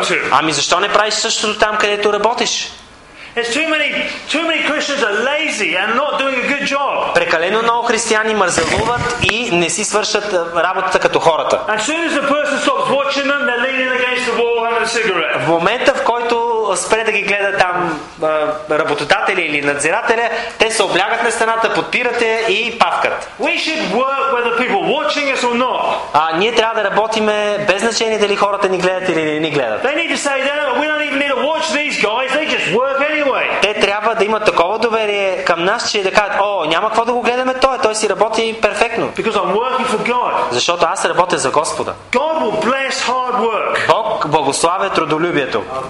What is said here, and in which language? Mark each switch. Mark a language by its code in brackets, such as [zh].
[bg] Ами защо не правиш същото там, където работиш? [en] Too many Christians are lazy and not doing a good job. [bg] Прекалено много християни мързелуват и не си свършат работата като хората. [en] As soon as the person stops watching them, they're leaning against the wall having a cigarette. [bg] В момента, в който спре да ги гледа там работодатели или надзирателя, те се облягат на стената, подпират я и павкат. [en] We should work whether people watching us or not. [bg] А ние трябва да работим без значение дали хората ни гледат или не ни гледат. [en] They need to say that we don't even need to watch these guys, they just work anyway. [bg] Те трябва да имат такова доверие към нас, че да кажат: о, няма какво да го гледаме, той си работи перфектно. [en] Because I'm working for God. [bg] Защото аз работя за Господа. [en] God will bless hard work. [bg] Бог благославя трудолюбието.